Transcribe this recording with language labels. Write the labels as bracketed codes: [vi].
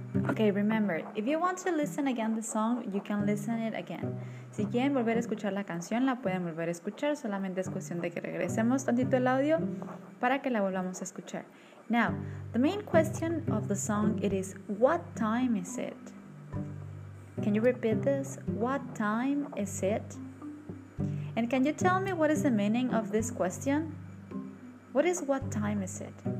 [en] Okay, remember, if you want to listen again the song, you can listen it again. [es] Si quieren volver a escuchar la canción, la pueden volver a escuchar. Solamente es cuestión de que regresemos tantito el audio para que la volvamos a escuchar. [en] Now, the main question of the song, it is, what time is it? Can you repeat this? What time is it? And can you tell me what is the meaning of this question? What is what time is it?